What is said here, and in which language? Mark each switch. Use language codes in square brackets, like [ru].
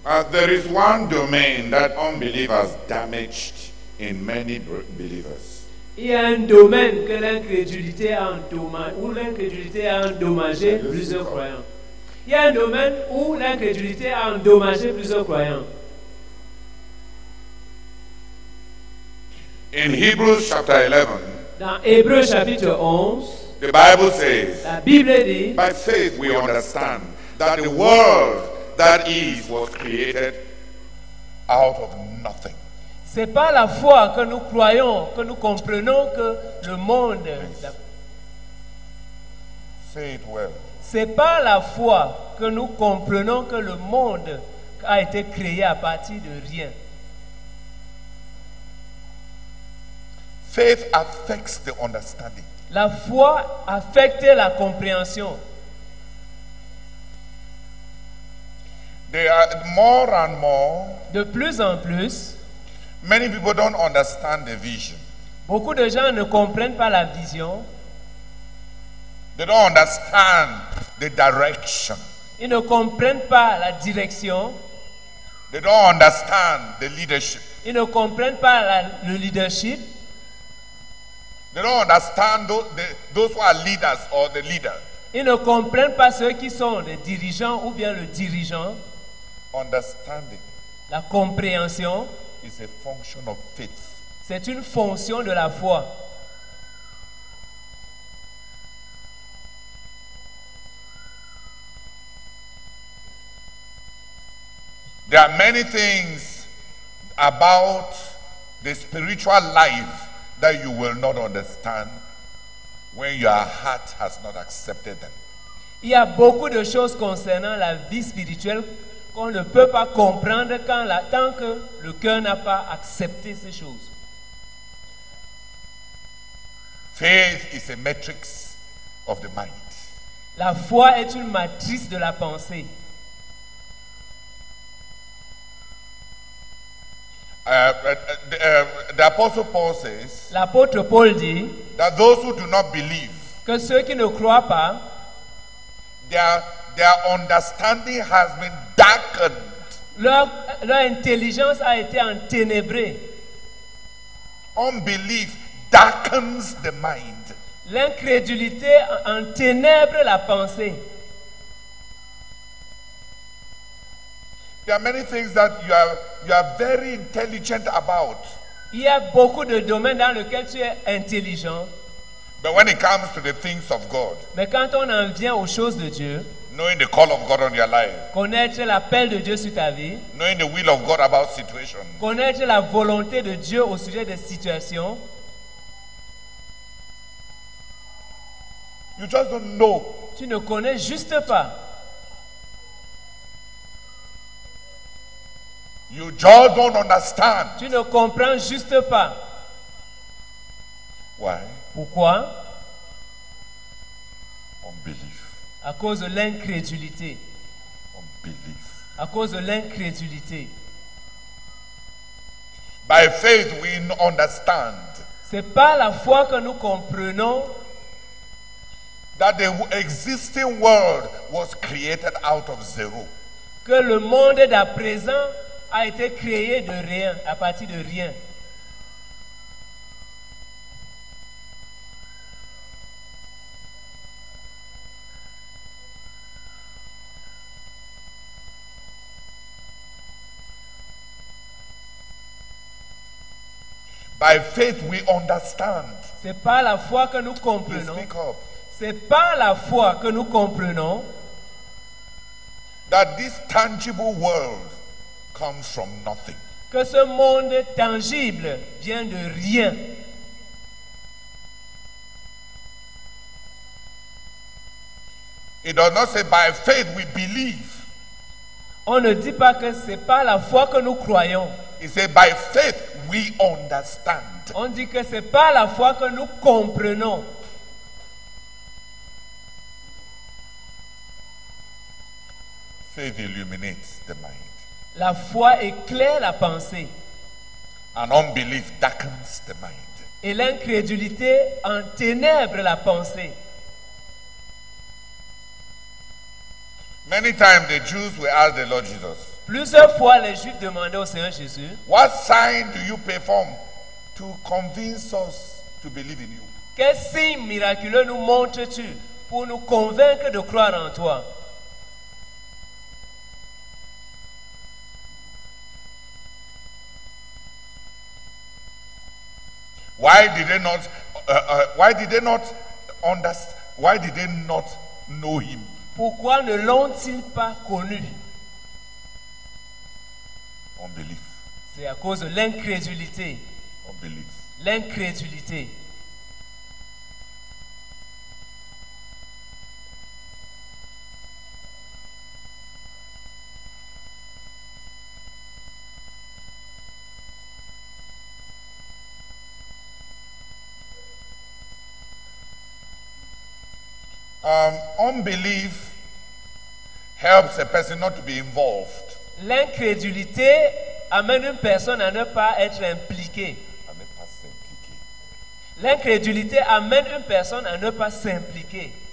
[en] There is one domain that unbelievers damaged in many believers. [fr] Il y a un domaine que l'incrédulité a endommagé, où l'incrédulité a endommagé plusieurs croyants. Il y a un domaine où l'incrédulité a endommagé plusieurs croyants. [en] In Hebrews chapter 11, [fr] dans Hébreux chapitre 11, [en] the Bible says, [fr] la Bible dit, [en] by faith we understand that the world that is was created out of nothing. [fr] C'est par la foi que nous croyons, que nous comprenons que le monde. [en] Say it well. [fr] C'est par la foi que nous comprenons que le monde a été créé à partir de rien. [en] Faith affects the understanding. [fr] La foi affecte la compréhension. [en] There are more and more. [fr] De plus en plus. [en] Many people don't understand the vision. [fr] Beaucoup de gens ne comprennent pas la vision. [en] They don't understand the direction. [fr] Ils ne comprennent pas la direction. [en] They don't understand the leadership. [fr] Ils ne comprennent pas le leadership. [en] They don't understand those who are leaders or the leader. [fr] Ils ne comprennent pas ceux qui sont les dirigeants ou bien le dirigeant. [en] Understanding. [fr] La compréhension [en] is a function of faith. [fr] C'est une fonction de la foi. [en] There are many things about the spiritual life that you will not understand when your heart has not accepted them. [fr] Il y a beaucoup de choses concernant la vie spirituelle qu'on ne peut pas comprendre tant que le cœur n'a pas accepté ces choses. [en] Faith is a matrix of the mind. [fr] La foi est une matrice de la pensée. [en] The apostle Paul says, [fr] l'apôtre Paul dit, [en] that those who do not believe, [fr] que ceux qui ne croient pas, [en] their understanding has been darkened. [fr] Leur intelligence a été enténébrée. [en] Unbelief darkens the mind. [fr] L'incrédulité enténèbre la pensée. [en] There are many things that you are very intelligent about. [fr] Il y a beaucoup de domaines dans lesquels tu es intelligent. [en] But when it comes to the things of God, [fr] mais quand on en vient aux choses de Dieu, [en] knowing the call of God on your life, [fr] connaître l'appel de Dieu sur ta vie, [en] knowing the will of God about situations, [fr] connaître la volonté de Dieu au sujet des situations, [en] you just don't know. [fr] Tu ne connais juste pas. [en] You just don't understand. [fr] Tu ne comprends juste pas. [en] Why? [fr] Pourquoi? [en] Unbelief. [fr] À cause de l'incrédulité. [en] Unbelief. [fr] À cause de l'incrédulité. [en] By faith we understand. [fr] C'est par la foi que nous comprenons [en] that the existing world was created out of zero. [fr] Que le monde d'à présent a été créé de rien, à partir de rien. [en] By faith we understand. [fr] C'est par la foi que nous comprenons. [en] Please speak up. [fr] C'est par la foi que nous comprenons [en] that this tangible world comes from nothing. [fr] Que ce monde tangible vient de rien. [en] It does not say by faith we believe. [fr] On ne dit pas que c'est par la foi que nous croyons. [en] It says by faith we understand. [fr] On dit que c'est par la foi que nous comprenons. [en] Faith illuminates the mind. [fr] La foi éclaire la pensée. [en] And unbelief darkens the mind. [fr] Et l'incrédulité enténèbre la pensée. [en] Many times the Jews were asked the Lord Jesus. [fr] Plusieurs fois les Juifs demandaient au Seigneur Jésus. [en] What sign do you perform to convince us to believe in you? [fr] Quel signe miraculeux nous montres-tu pour nous convaincre de croire en toi? [en] Why did they not know him? [fr] Pourquoi ne l'ont-ils pas connu? [en] Unbelief. [fr] C'est à cause de l'incrédulité. [en] Unbelief. [fr] L'incrédulité. [en] Unbelief helps a person not to be involved. [fr] L'incrédulité amène une personne à ne pas être impliquée. À ne pas s'impliquer. L'incrédulité amène une personne à ne pas s'impliquer.